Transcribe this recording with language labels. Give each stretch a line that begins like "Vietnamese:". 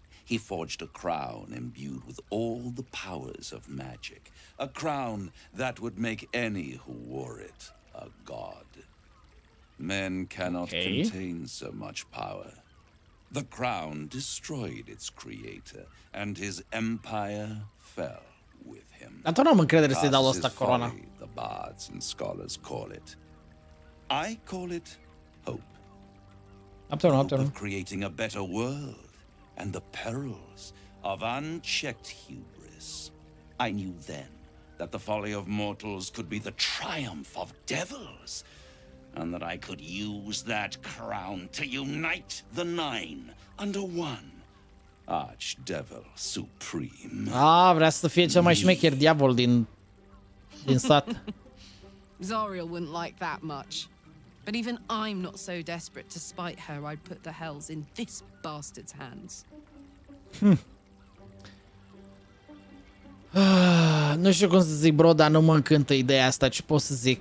English: He forged a crown imbued with all the powers of magic, a crown that would make any who wore it a god. Men cannot contain so much power. The crown destroyed its creator, and his empire fell.
Romanian: Dar nu am încredere să-i dau asta corona.
English: The bards and scholars call it. I call it hope. Hope of creating a better world and the perils of unchecked hubris. I knew then that the folly of mortals could be the triumph of devils and that I could use that crown to unite the nine under one. Archdevil supreme.
Romanian: Ah, vrea să fie cel mai șmecher diavol din sat.
English: Zauriel wouldn't like that much. But even I'm not so desperate to spite her, I'd put the hells in this bastard's hands.
Romanian: Nu știu cum să zic, bro, dar nu mă încântă ideea asta, ce pot să zic?